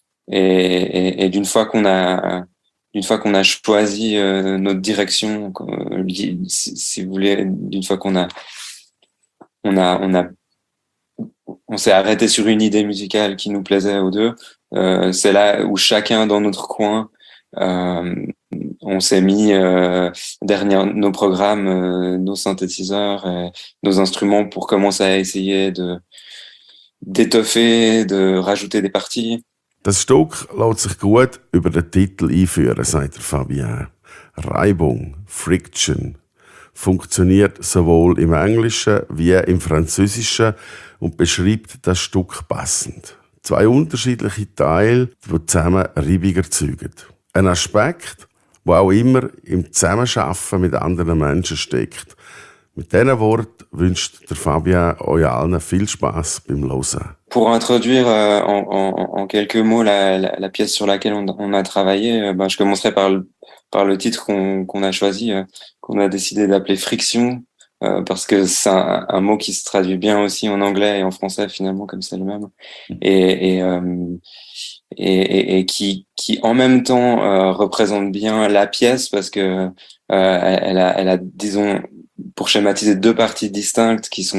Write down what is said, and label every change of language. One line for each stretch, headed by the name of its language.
French: Et d'une fois qu'on a choisi notre direction, si vous voulez, d'une fois on s'est arrêté sur une idée musicale qui nous plaisait aux deux, c'est là où chacun dans notre coin, on s'est mis derrière nos programmes, nos synthétiseurs et nos instruments pour commencer à essayer d'étoffer, de rajouter des parties.
German: Das Stück lässt sich gut über den Titel einführen, sagt Fabien. Reibung, Friction, funktioniert sowohl im Englischen wie im Französischen und beschreibt das Stück passend. Zwei unterschiedliche Teile, die zusammen Reibung erzeugen. Ein Aspekt, der auch immer im Zusammenarbeiten mit anderen Menschen steckt. Mit diesen Worten wünscht der Fabien euch allen viel Spass beim Hören.
French: Pour introduire en quelques mots la pièce sur laquelle on a travaillé, ben je commencerai par le titre qu'on a choisi, qu'on a décidé d'appeler Friction, parce que c'est un mot qui se traduit bien aussi en anglais et en français finalement comme c'est le même, et qui en même temps représente bien la pièce parce que elle a disons pour schématiser deux parties distinctes